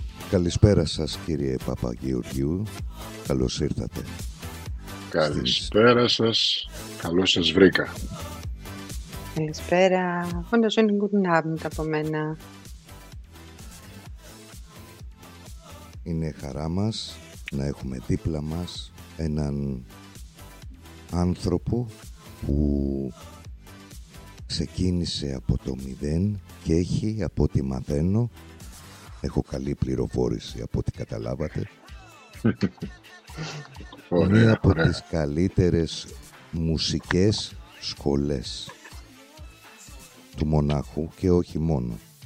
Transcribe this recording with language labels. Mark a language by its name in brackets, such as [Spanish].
[Greek] Καλησπέρα σας, κύριε Παπαγεωργίου. Καλώς ήρθατε. Καλησπέρα σας. Καλώς σας βρήκα. Felispera. [German] Wunderschönen guten Abend [Greek] από μένα. Είναι χαρά μας να έχουμε δίπλα μας έναν άνθρωπο που ξεκίνησε από το μηδέν και έχει, από ό,τι μαθαίνω, έχω καλή πληροφόρηση από ό,τι καταλάβατε, μία από τις καλύτερες μουσικές σχολές του Μονάχου και όχι μόνο.